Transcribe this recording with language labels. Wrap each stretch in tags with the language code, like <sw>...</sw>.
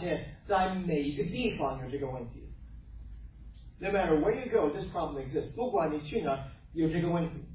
<zh>我已经去过很多很多不同的国家，我发现在每一个地方有这个问题。</zh> <en>No matter where you go, this problem exists.</en> <zh>不管你去哪，有这个问题。</zh>